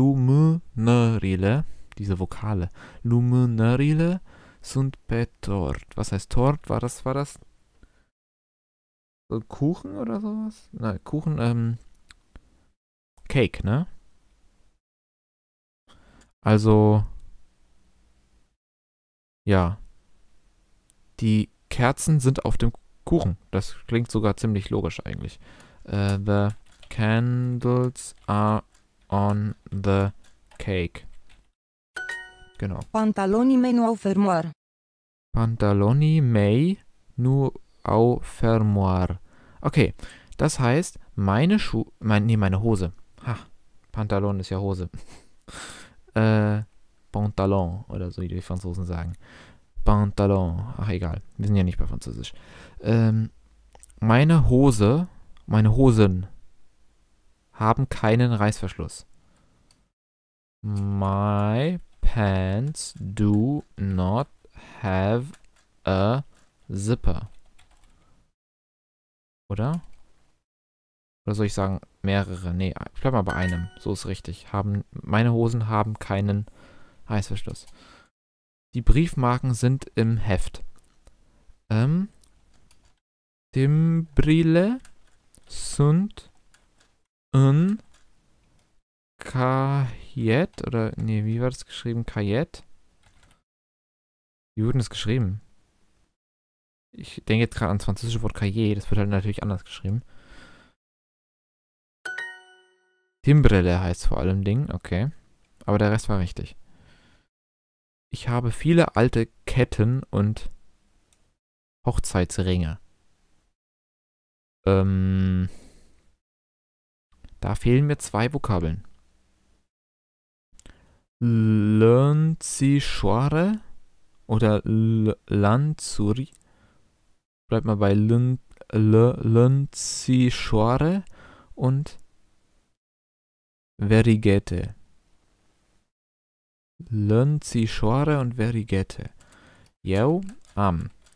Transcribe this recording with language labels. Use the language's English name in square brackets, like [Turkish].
[Romanian] Lumânările, [German] diese Vokale. [Romanian] Lumânările sunt pe tort. [German] Was heißt tort? War das Kuchen oder sowas? Nein, Kuchen, Cake, ne? Also, ja. Die Kerzen sind auf dem Kuchen. Das klingt sogar ziemlich logisch eigentlich. [English] The candles are on the cake. [German] Genau. [Romanian] Pantaloni mei nu au fermoar. Pantaloni mei nu au fermoar. [German] Okay, das heißt, meine Hose. Ha, Pantalon ist ja Hose. Pantalon, oder so, wie die Franzosen sagen. Pantalon, ach egal, wir sind ja nicht bei Französisch. Meine Hosen haben keinen Reißverschluss. [English] My pants do not have a zipper. [German] Oder? Oder soll ich sagen, mehrere? Nee, ich bleib mal bei einem. So ist richtig. Meine Hosen haben keinen Reißverschluss. Die Briefmarken sind im Heft. [Romanian] Timbrile sunt în caiet. [German] Oder, nee, wie war das geschrieben? Caiet? Wie wurde das geschrieben? Ich denke jetzt gerade ans französische Wort Cahier, das wird halt natürlich anders geschrieben. Timbrelle heißt vor allem Ding, okay. Aber der Rest war richtig. Ich habe viele alte Ketten und Hochzeitsringe. Da fehlen mir zwei Vokabeln. [Romanian] Lănțișoare oder lanțuri. [German] Bleibt mal bei Lănțișoare und Verighete. Lönzi Schore und Verigette. Jau, am.